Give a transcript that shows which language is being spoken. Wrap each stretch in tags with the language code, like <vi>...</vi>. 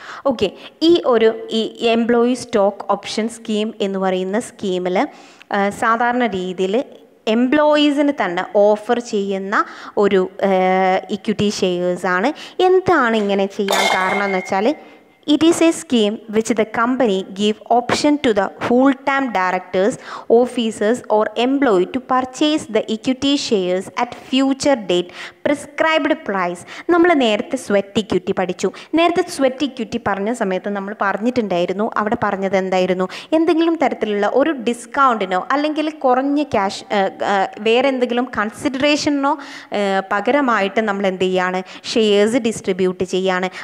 <ml>Okay, ഈ ഒരു ഈ എംപ്ലോയി സ്റ്റോക്ക് ഓപ്ഷൻ സ്കീം എന്ന് പറയുന്ന സ്കീമിൽ സാധാരണ രീതിയിൽ എംപ്ലോയീസിന് തന്നെ ഓഫർ ചെയ്യുന്ന ഒരു ഇക്വിറ്റി ഷെയർസ് ആണ്. എന്താണ് ഇങ്ങനെ ചെയ്യാൻ കാരണം എന്ന് വെച്ചാൽ</ml> <en>It is a scheme which the company give option to the full-time directors, officers or employee to purchase the equity shares at future date prescribed price.</en> <ml>നമ്മൾ നേരത്തെ സ്വെറ്റ് ഇക്വിറ്റി പഠിച്ചു. നേരത്തെ സ്വെറ്റ് ഇക്വിറ്റി പറഞ്ഞ സമയത്ത് നമ്മൾ പറഞ്ഞിട്ടുണ്ടായിരുന്നു, അവിടെ പറഞ്ഞത് എന്തായിരുന്നു, എന്തെങ്കിലും തരത്തിലുള്ള ഒരു ഡിസ്കൗണ്ടിനോ അല്ലെങ്കിൽ കുറഞ്ഞ ക്യാഷ് വേറെന്തെങ്കിലും കൺസിഡറേഷനോ പകരമായിട്ട് നമ്മൾ എന്ത് ചെയ്യാണ്, ഷെയർസ് ഡിസ്ട്രിബ്യൂട്ട് ചെയ്യാണ്.</ml>